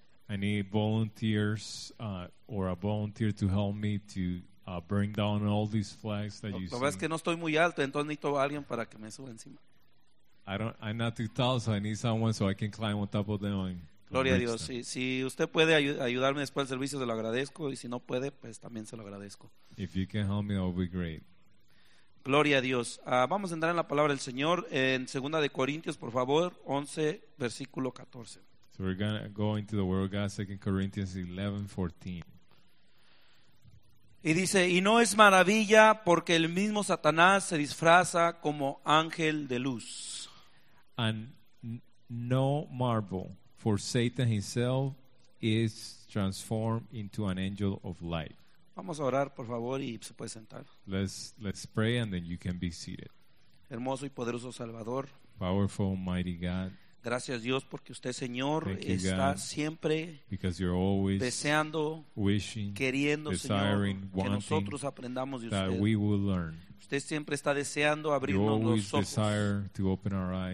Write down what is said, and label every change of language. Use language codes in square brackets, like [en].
[en] I need volunteers or a volunteer to help me to bring down all these flags that you see. [es] Lo que pasa es que no estoy muy alto, entonces necesito a alguien para que me suba encima. [en] I'm not too tall, so I need someone so I can climb on top of them. [es] Gloria a Dios. Si usted puede ayudarme después del servicio, se lo agradezco, y si no puede, pues también se lo agradezco. [en] If you can help me, that would be great. [es] Gloria a Dios. Vamos a entrar en la palabra del Señor en 2 de Corintios, por favor, 11, versículo 14. [en] So we're going to go into the word of God, 2 Corinthians 11, 14. [es] Y dice, y no es maravilla porque el mismo Satanás se disfraza como ángel de luz. [en] And no marvel, for Satan himself is transformed into an angel of light. [es] Vamos a orar, por favor, y se puede sentar. [en] Let's pray and then you can be seated. [es] Hermoso y poderoso Salvador. [en] Powerful, mighty God. [es] Gracias Dios porque usted, Señor, está siempre deseando, [en] wishing, [es] queriendo, [en] desiring, [es] Señor, [en] wanting, [es] que nosotros aprendamos de usted. [en] That we will learn. [es] Usted siempre está deseando abrirnos los ojos, [en] desire to open our eyes,